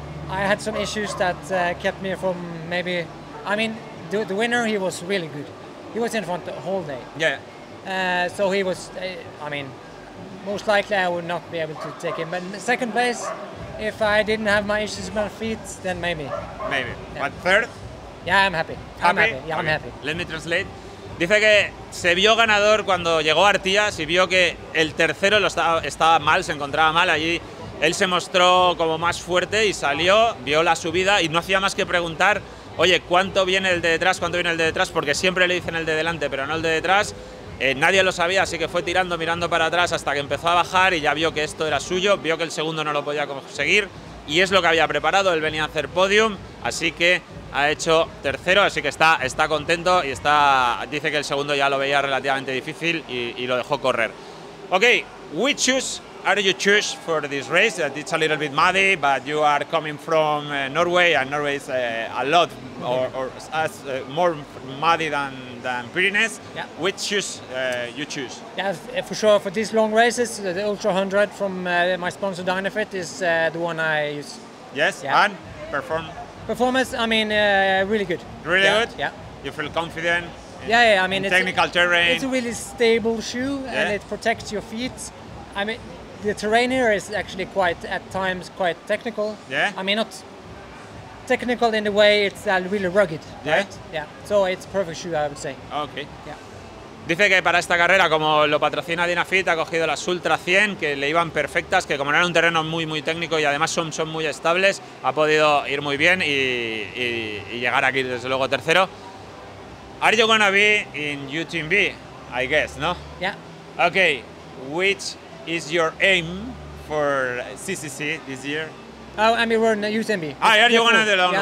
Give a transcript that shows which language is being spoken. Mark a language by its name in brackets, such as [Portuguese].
[English] I had some issues that kept me from maybe. I mean, the winner, he was really good. He was in front the whole day. Yeah. So he was. I mean, most likely I would not be able to take him. But in second place, if I didn't have my issues with my feet, then maybe. Maybe. Yeah. But third. Yeah, I'm happy. Happy. I'm happy. Let me translate. [Spanish] Dice que se vio ganador cuando llegó Artías y vio que el tercero estaba mal, se encontraba mal allí. Él se mostró como más fuerte y salió, vio la subida y no hacía más que preguntar, oye, ¿cuánto viene el de detrás? ¿Cuánto viene el de detrás? Porque siempre le dicen el de delante, pero no el de detrás. Nadie lo sabía, así que fue mirando para atrás hasta que empezó a bajar y ya vio que esto era suyo, vio que el segundo no lo podía conseguir y es lo que había preparado. Él venía a hacer podium, así que ha hecho tercero, así que está contento y dice que el segundo ya lo veía relativamente difícil y lo dejó correr. [English] Okay, which shoes are you choose for this race? It's a little bit muddy, but you are coming from Norway, and Norway is a lot or more muddy than Pyrenees. Yeah. Which shoes you choose? Yeah, for sure. For these long races, the Ultra 100 from my sponsor Dynafit is the one I use. Yes, yeah. And perform. Performance, I mean, really good. Really yeah, good? Yeah. You feel confident? Yeah, I mean, it's technical terrain. It's a really stable shoe, yeah. And it protects your feet. I mean, the terrain here is actually at times quite technical. Yeah. I mean, not technical in the way it's really rugged, yeah. Right? Yeah. So it's perfect shoe, I would say. Okay. Yeah. [Spanish] Dice que para esta carrera, como lo patrocina Dynafit, ha cogido las Ultra 100, que le iban perfectas, que como era un terreno muy, muy técnico y además son muy estables, ha podido ir muy bien y llegar aquí, desde luego, tercero. [English] Are you gonna be in UTMB, I guess, no? Yeah. Okay, which is your aim for CCC this year? Oh, I mean, we're in UTMB. Ah, are you gonna do the long one?